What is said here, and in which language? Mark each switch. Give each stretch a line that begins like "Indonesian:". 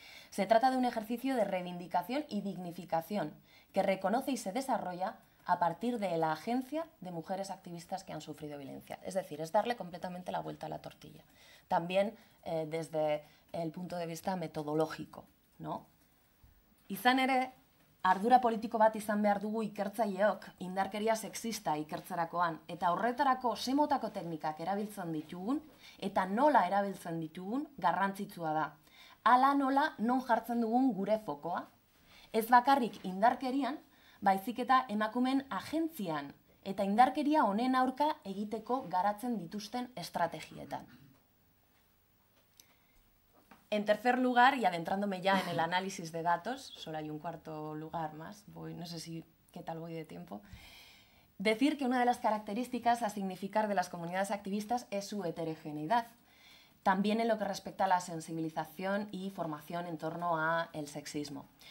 Spanish: Se trata de un ejercicio de reivindicación y dignificación que reconoce y se desarrolla a partir de la agencia de mujeres activistas que han sufrido violencia. Es decir, es darle completamente la vuelta a la tortilla. También desde el punto de vista metodológico, ¿no?
Basque: Izan ere, ardura politiko bat izan behar dugu ikertzaileok, indarkeria sexista ikertzerakoan, eta horretarako ze motako teknikak erabiltzen ditugun, eta nola erabiltzen ditugun, garrantzitsua da. Hala nola non jartzen dugun gure fokoa, ez bakarrik indarkerian, baizik eta emakumeen agentzian, eta indarkeria honen aurka egiteko garatzen dituzten estrategietan.
Spanish: En tercer lugar, y adentrándome ya en el análisis de datos, solo hay un cuarto lugar más, no sé si qué tal voy de tiempo, decir que una de las características a significar de las comunidades activistas es su heterogeneidad, también en lo que respecta a la sensibilización y formación en torno al sexismo.